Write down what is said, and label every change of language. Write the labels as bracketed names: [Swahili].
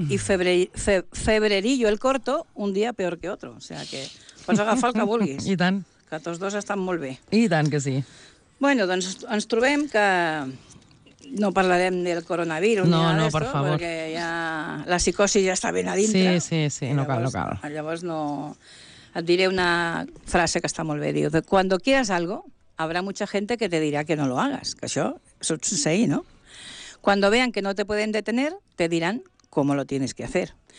[Spanish] Y febrerillo el corto, un día peor que otro. O sea que [Catalan] pots agafar el que vulguis. I tant. Que tots dos estan molt bé. I tant que sí. Bueno, doncs ens trobem que no parlarem del coronavirus. No, ni no, per favor. Perquè ja la psicosi ja està ben a dintre. Sí, no cal, llavors, no cal. Llavors no... Et diré una frase que està molt bé. Diu, [Spanish] cuando quieras algo, habrá mucha gente que te dirá que no lo hagas. [Catalan] Que això succeí, no? [Spanish] Cuando vean que no te pueden detener, te dirán cómo lo tienes que hacer.